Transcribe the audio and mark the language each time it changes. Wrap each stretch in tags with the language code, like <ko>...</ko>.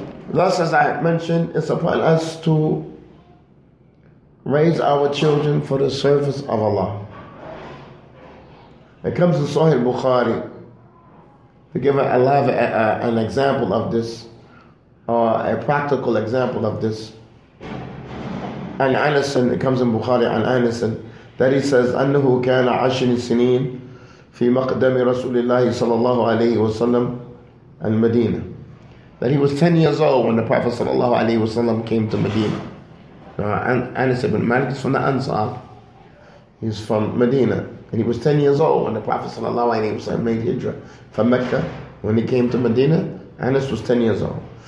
<en>Thus, as I mentioned, it's upon us to raise our children for the service of Allah. It comes in Sahih Bukhari to give an example of this, or a practical example of this. An Anasin, it comes in Bukhari, an Anasin, that he says,</en> <ar>أنه كان عشر سنين في مقدم رسول الله صلى الله عليه وسلم المدينة.</ar> <en>That he was 10 years old when the Prophet</en> <ar>صلى الله عليه وسلم</ar> <en>came to Medina. Anas ibn Malik is from the Ansar. He's from Medina. And he was 10 years old when the Prophet sallallahu alayhi wa sallam made hijrah from Mecca. When he came to Medina, Anas was 10 years old.</en>